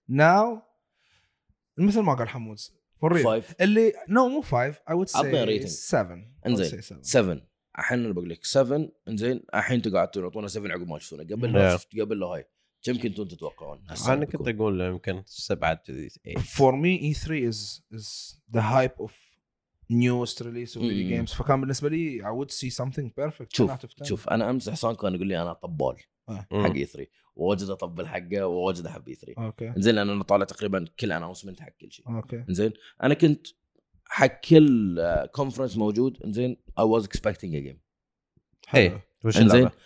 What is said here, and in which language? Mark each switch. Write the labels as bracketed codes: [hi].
[en] now [ar] مثل ما قال حمود [en] five. [ar] اللي نو مو 5 [en] I would say 7 [ar] انزين 7 الحين بقول لك 7 انزين الحين تقعدوا تعطونا 7 عقب ما تشوفونا قبل لا شفت قبل لا هاي كم كنتوا تتوقعون انا كنت اقول يمكن 7 8 [en] for me E3 is the hype of newest release of video games [ar] فكان بالنسبه لي [en] I would see something perfect [ar] شوف انا امس حسان كان يقول لي انا طبال حق E3 واجد اطبل حقه واجد احب E3 اوكي انزين انا طالع تقريبا كل اناونسمنت حق كل شيء اوكي انزين انا كنت حق كل كونفرنس موجود انزين [en] I was expecting a game [ar] حلو انزين